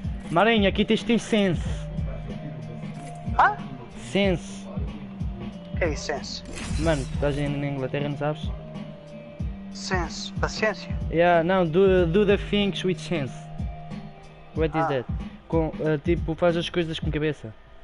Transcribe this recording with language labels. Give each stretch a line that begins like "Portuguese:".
Portuguese: Marinho, aqui tens de ter sense. Sense. Que é isso, sense? Mano, estás na Inglaterra, não sabes? Sense, paciência?
English: Do the things with sense. What is that?
Portuguese: Tipo, faz as coisas com cabeça.